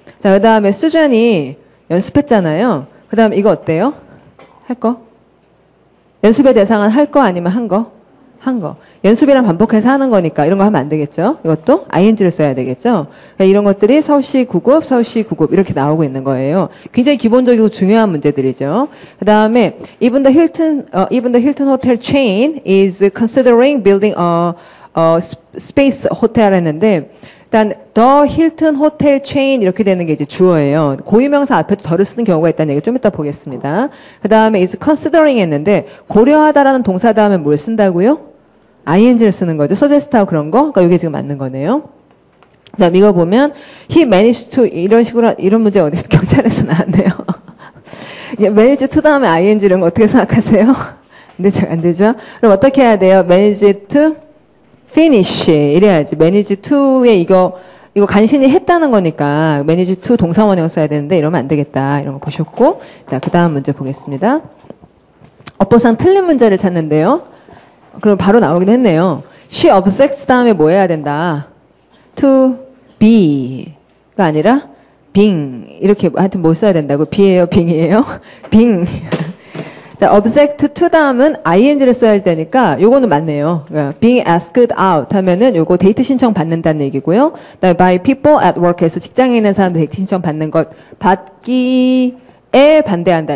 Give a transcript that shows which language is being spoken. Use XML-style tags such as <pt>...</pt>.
<ko>자, 그 다음에 수전이 연습했잖아요. 그 다음에 이거 어때요? 할 거? 연습의 대상은 할거 아니면 한 거? 한 거. 연습이랑 반복해서 하는 거니까 이런 거 하면 안 되겠죠? 이것도 ing를 써야 되겠죠? 이런 것들이 서울시 9급, 서울시 9급 이렇게 나오고 있는 거예요. 굉장히 기본적이고 중요한 문제들이죠.</ko> <en>그다음에 even the Hilton Hotel chain is considering building a space hotel</en> <ko>했는데 일단</ko> <en>the Hilton Hotel chain</en> <ko>이렇게 되는 게 이제 주어예요. 고유명사 앞에도 덜을 쓰는 경우가 있다는 얘기 좀 이따 보겠습니다. 그다음에 is considering 했는데 고려하다라는 동사 다음에 뭘 쓴다고요? ing를 쓰는 거죠. suggest하고 그런 거. 그러니까 이게 지금 맞는 거네요. 그다음 이거 보면</ko> <en>he managed to</en> <ko>이런 식으로 이런 문제 어디서 경찰에서 나왔네요. manage to 다음에 ing를 어떻게 생각하세요? 근데 잘안 되죠? 그럼 어떻게 해야 돼요?</ko> <en>manage to finish</en> <ko>이래야지. manage to에 이거 간신히 했다는 거니까 manage to 동사원형 써야 되는데 이러면 안 되겠다. 이런 거 보셨고. 자, 그다음 문제 보겠습니다. 어법상 틀린 문제를 찾는데요. 그럼 바로 나오긴 했네요.</ko> <en>She objects</en> <ko>다음에 뭐 해야 된다?</ko> <en>To be</en> <ko>가 아니라</ko> <en>Bing.</en> <ko>이렇게 하여튼 뭐 써야 된다고? be예요? bing이에요? bing. 자, object to 다음은 ing를 써야 되니까 요거는 맞네요.</ko> <en>being asked out</en> <ko>하면은 요거 데이트 신청 받는다는 얘기고요. 그다음에</ko> <en>by people at work</en> <ko>해서 직장에 있는 사람들 데이트 신청 받는 것 받기 에 반대한다.</ko>